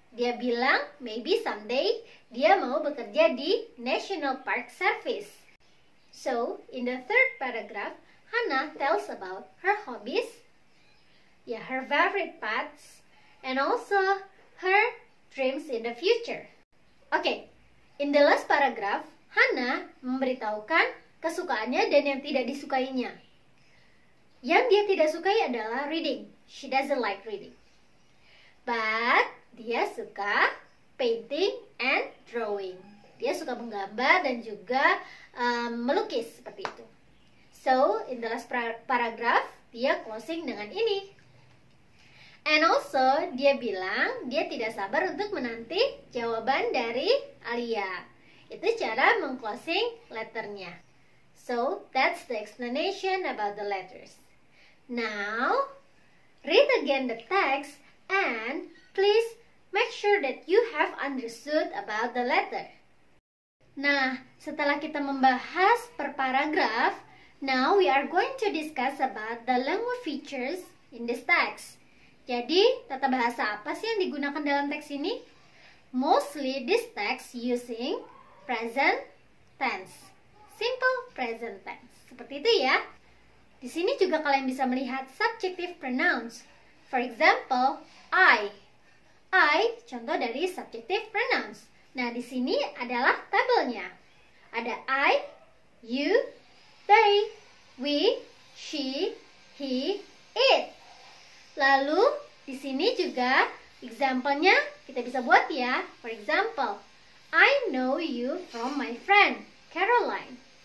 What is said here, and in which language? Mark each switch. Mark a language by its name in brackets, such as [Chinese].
[Indonesian] Dia bilang, [English] maybe someday [Indonesian] dia mau bekerja di National Park Service. [English] So, in the third paragraph, Hannah tells about her hobbies, yeah, her favorite pets, and also her dreams in the future. Okay, in the last paragraph, [Indonesian] Hannah memberitahukan kesukaannya dan yang tidak disukainya. Yang dia tidak sukai adalah reading. [English] She doesn't like reading. But [Indonesian] dia suka [English] painting and drawing. [Indonesian] Dia suka menggambar dan juga melukis, seperti itu. [English] So, in the last paragraph, [Indonesian] dia [English] closing [Indonesian] dengan ini. [English] And also, [Indonesian] dia bilang dia tidak sabar untuk menanti jawaban dari Alia. Itu cara mengclosing letternya. [English] So, that's the explanation about the letters. Now, read again the text and please make sure that you have understood about the letter. [Indonesian] Nah, setelah kita membahas per paragraph, [English] now we are going to discuss about the language features in this text. [Indonesian] Jadi, tata bahasa apa sih yang digunakan dalam teks ini? [English] Mostly this text using present tense. Simple present tense. [Indonesian] Seperti itu ya. Di sini juga kalian bisa melihat subjective pronouns. [English] For example, I. I [Indonesian] contoh dari [English] subjective pronouns. [Indonesian] Nah, di sini adalah tabelnya. Ada I, you, they, we, she, he, it. Lalu di sini juga example-nya kita bisa buat ya. [English] For example, I know you from my friend Caroline.